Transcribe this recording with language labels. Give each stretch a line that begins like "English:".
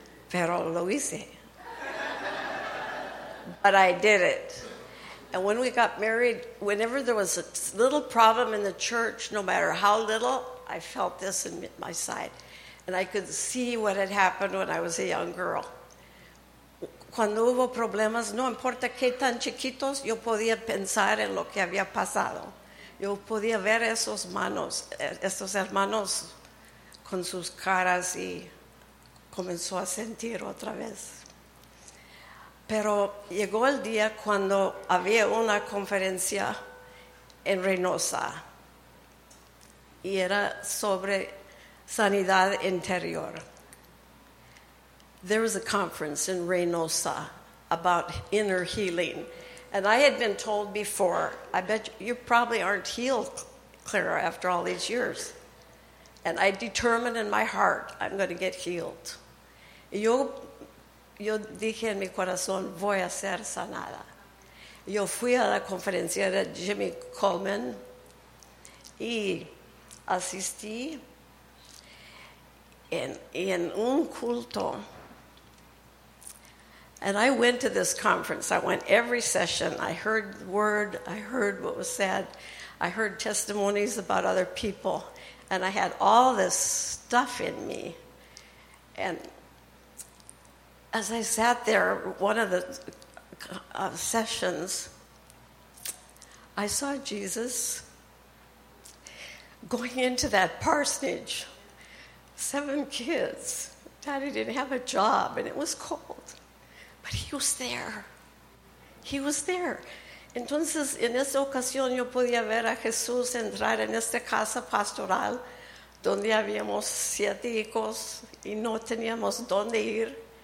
Spanish: Pero lo hice.
English: But I did it. And when we got married, whenever there was a little problem in the church, no matter how little, I felt this in my side. And I could see what had happened when I was a young girl.
Spanish: Cuando hubo problemas, no importa qué tan chiquitos, yo podía pensar en lo que había pasado. Yo podía ver esos manos, estos hermanos con sus caras y comenzó a sentir otra vez. Pero llegó el día cuando había una conferencia en Reynosa y era sobre sanidad interior.
English: There was a conference in Reynosa about inner healing. And I had been told before, I bet you probably aren't healed, Clara, after all these years. And I determined in my heart, I'm going to get healed.
Spanish: Yo dije en mi corazón, voy a ser sanada. Yo fui a la conferencia de Jimmy Coleman y asistí en un culto.
English: And I went to this conference. I went every session. I heard the word. I heard what was said. I heard testimonies about other people. And I had all this stuff in me. And as I sat there, one of the sessions, I saw Jesus going into that parsonage. Seven kids. Daddy didn't have a job, and it was cold. But he was there. He was there.
Spanish: Entonces, en esta ocasión, yo podía ver a Jesús entrar en esta casa pastoral donde habíamos siete hijos y no teníamos dónde ir.